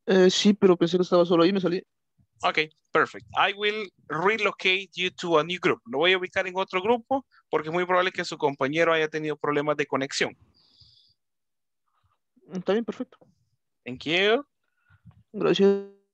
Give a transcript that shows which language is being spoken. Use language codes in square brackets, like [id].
[es] Sí, pero pensé que estaba solo ahí, me salí. [en] Okay, perfect. I will relocate you to a new group. [es] Lo voy a ubicar en otro grupo porque es muy probable que su compañero haya tenido problemas de conexión. Está bien, perfecto. [en] Thank you. [es] Gracias.